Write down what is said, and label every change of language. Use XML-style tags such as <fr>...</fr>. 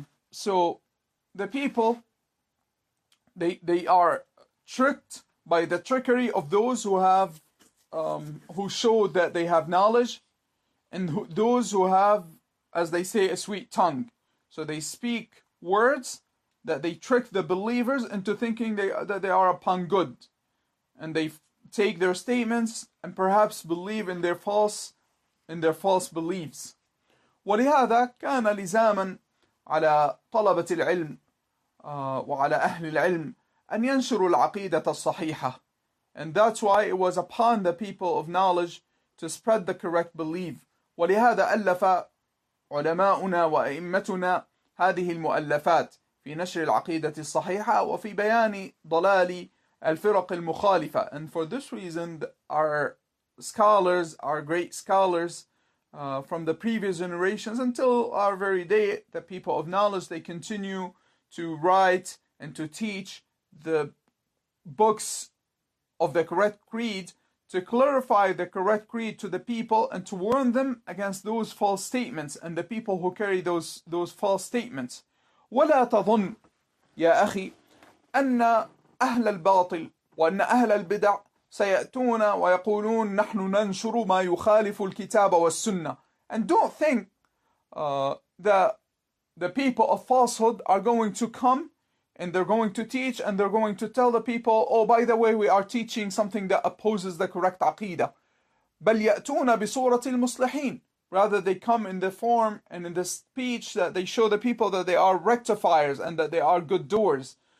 <en>So the people, they are tricked by the trickery of those who have who show that they have knowledge, and those who have, as they say, a sweet tongue. So they speak words that they trick the believers into thinking that they are upon good, and they take their statements and perhaps believe in their false beliefs.</en> <ar>ولهذا كان لزاما على طلبة العلم وعلى أهل العلم أن ينشروا العقيدة الصحيحة.</ar> <en>And that's why it was upon the people of knowledge to spread the correct belief.</en> <ar>ولهذا ألف علماؤنا وأئمتنا هذه المؤلفات في نشر العقيدة الصحيحة وفي بيان ضلال الفرق المخالفة.</ar> <en>And for this reason, our great scholars from the previous generations until our very day, the people of knowledge, they continue to write and to teach the books of the correct creed, to clarify the correct creed to the people and to warn them against those false statements and the people who carry those false statements.</en> <ar>ولا تظن يا أخي أن أهل الباطل وأن أهل البدع سيأتون ويقولون نحن ننشر ما يخالف الكتاب والسنة.</ar> <en>And don't think that the people of falsehood are going to come and they're going to teach and they're going to tell the people, oh, by the way, we are teaching something that opposes the correct aqidah.</en> <ar>بل يأتون بصورة المصلحين.</ar> <en>Rather, they come in the form and in the speech that they show the people that they are rectifiers and that they are good doers.</en>